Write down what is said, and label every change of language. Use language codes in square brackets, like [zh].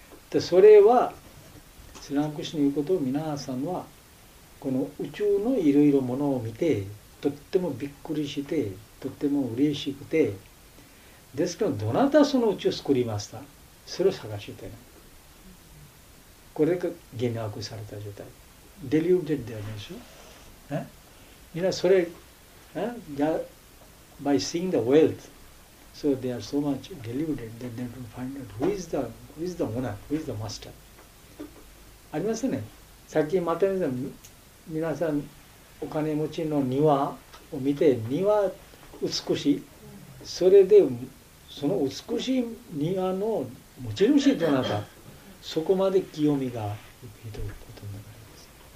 [ja] でそれはスラムクシの言うことを、皆さんはこの宇宙のいろいろものを見てとってもびっくりしてとっても嬉しくて、ですけどどなたその宇宙を作りました、それを探してない、これが幻惑された状態、デリューテッドでありますよ。 [en] You know, それ、by seeing the wealth, so they are so much deluded that they don't find out who is the owner, who is the master. [ja] ありますね。さっきまた皆さんお金持ちの庭を見て、庭美しい。それでその美しい庭の持ち主どなた、そこまで清みがいっていることになります。